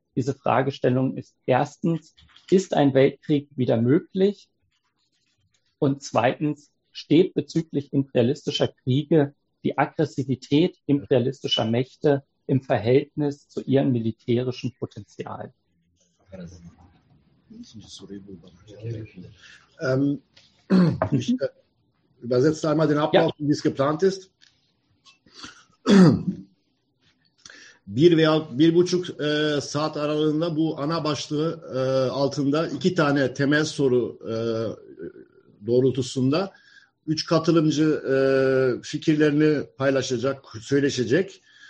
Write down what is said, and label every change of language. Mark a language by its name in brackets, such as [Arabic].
[German] Diese Fragestellung ist erstens, ist ein Weltkrieg wieder möglich? Und zweitens, steht bezüglich imperialistischer Kriege die Aggressivität imperialistischer Mächte im Verhältnis zu ihrem militärischen Potenzial? [Turkish] İkinci soruyu bulmam gerekiyor. [German] Ich übersetze einmal den Ablauf, ja, wie es geplant ist. [Turkish] Bir veya bir buçuk saat aralığında bu ana başlığı altında iki tane temel soru doğrultusunda üç katılımcı fikirlerini paylaşacak, söyleşecek.